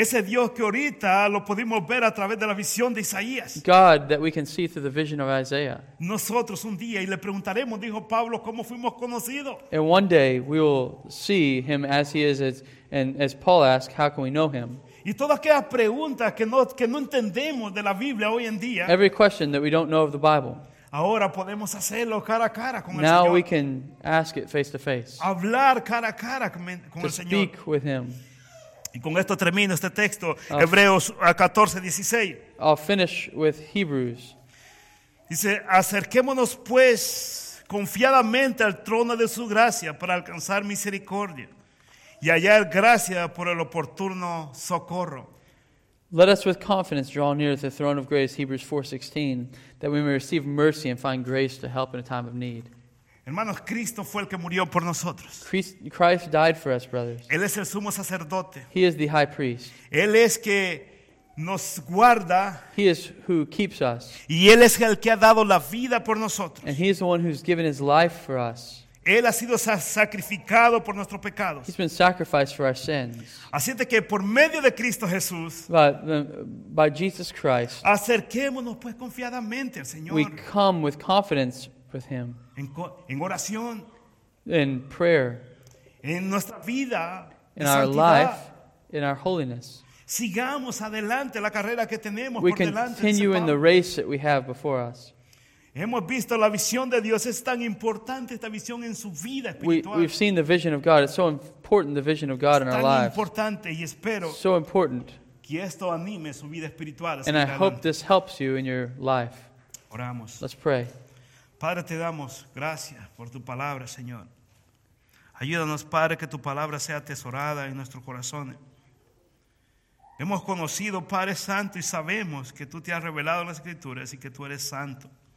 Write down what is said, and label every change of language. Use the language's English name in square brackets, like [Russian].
[Spanish] Ese Dios que ahorita lo pudimos ver a través de la visión de Isaías. [English] God that we can see through the vision of Isaiah. [Spanish] Nosotros un día y le preguntaremos, dijo Pablo, cómo fuimos conocidos. [English] And one day we will see Him as He is, and as Paul asked, how can we know Him? [Spanish] Y todas aquellas preguntas que no entendemos de la Biblia hoy en día. [English] Every question that we don't know of the Bible. [Spanish] Ahora podemos hacerlo cara a cara con el [English] Now [Spanish] Señor. [English] We can ask it face to face. [Spanish] Hablar cara a cara con el Señor. [English] To speak with Him. [Spanish] Y con esto termino este texto, Hebreos 14:16. [English] I'll finish with Hebrews. [Spanish] Dice, acerquémonos pues confiadamente al trono de su gracia para alcanzar misericordia y hallar gracia por el oportuno socorro. [English] Let us with confidence draw near to the throne of grace, Hebrews 4:16, that we may receive mercy and find grace to help in a time of need. [Spanish] Hermanos, Cristo fue el que murió por nosotros. [English] Christ died for us, brothers. [Spanish] Él es el sumo sacerdote. [English] He is the high priest. [Spanish] Él es que nos guarda. [English] He is who keeps us. [Spanish] Y Él es el que ha dado la vida por nosotros. [English] And He is the one who's given His life for us. [Spanish] Él ha sido sacrificado por nuestros pecados. [English] He's been sacrificed for our sins. [Spanish] Así de que por medio de Cristo Jesús. [English] By Jesus Christ. [Spanish] Acerquémonos pues confiadamente al Señor. [English] We come with confidence with Him. [Spanish] En oración, [English] in prayer, [Spanish] en nuestra vida, [English] in our life, in our holiness. [Spanish] Sigamos adelante la carrera que tenemos [English] we [Spanish] por delante. [English] We continue in the race that we have before us. [Spanish] Hemos visto la visión de Dios, es tan importante esta visión en su vida espiritual. [English] We've seen the vision of God, it's so important, the vision of God in our lives. [Spanish] Tan importante y espero [English] so important. [Spanish] Que esto anime su vida espiritual. [English] And I hope this helps you in your life. [Spanish] Oramos. [English] Let's pray. [Spanish] Padre, te damos gracias por tu palabra, Señor. Ayúdanos, Padre, que tu palabra sea atesorada en nuestros corazones. Hemos conocido, Padre Santo, y sabemos que tú te has revelado en las Escrituras y que tú eres santo.